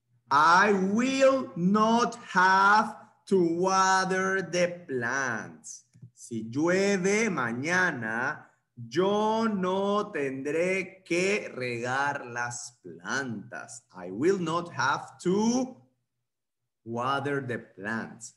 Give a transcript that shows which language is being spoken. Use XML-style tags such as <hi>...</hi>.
<en>I will not have to water the plants.</en> <es>Si llueve mañana, yo no tendré que regar las plantas.</es> <en>I will not have to water the plants.</en>